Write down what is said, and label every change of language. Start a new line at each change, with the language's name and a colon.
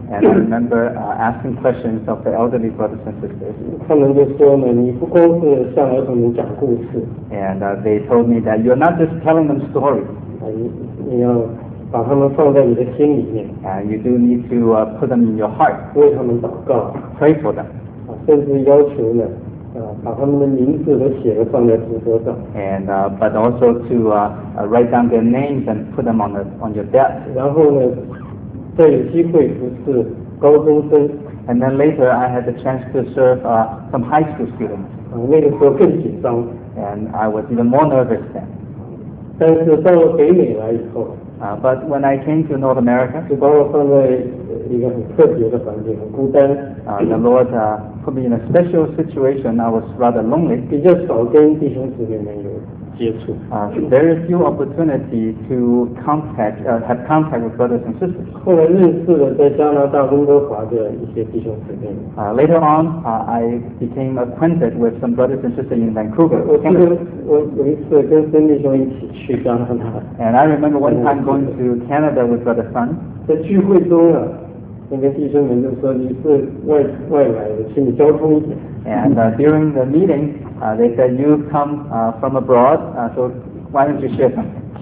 English: and I remember asking questions of the elderly brothers and sisters.
Chinese: 他们就说呢, 你不光是向儿童们讲故事,
English: and they told me that you're not just telling them stories.
Chinese: 你要把他们放在你的心里面,
English: and you do need to put them in your heart.
Chinese: 为他们祷告,
English: pray for them.
Chinese: 甚至要求呢, 把他们的名字都写了放在纸桌上,
English: and but also to write down their names and put them on your desk.
Chinese: 然后呢, 再有机会不是高中生,
English: and then later I had the chance to serve some high school students.
Chinese: 那个时候更紧张,
English: and I was even more nervous then.
Chinese: 但是到了北美来以后,
English: but when I came to North America,
Chinese: 就把我放在一个很特别的环境，很孤单.
English: The Lord put me in a special situation. I was rather lonely.
Chinese: 比较少跟弟兄姊妹们有接触.
English: Very few opportunity to have contact with brothers and sisters.
Chinese: 后来认识了在加拿大温哥华的一些弟兄姊妹.
English: Later on, I became acquainted with some brothers and sisters in Vancouver.
Chinese: 我有一次跟孙弟兄一起去加拿大.
English: And I remember one time going to Canada with Brother Sun.
Chinese: 在聚会中啊, 那个弟兄们就说你是外来的，请你交通一点。
English: And during the meeting, they said you come from abroad, so why don't you share something?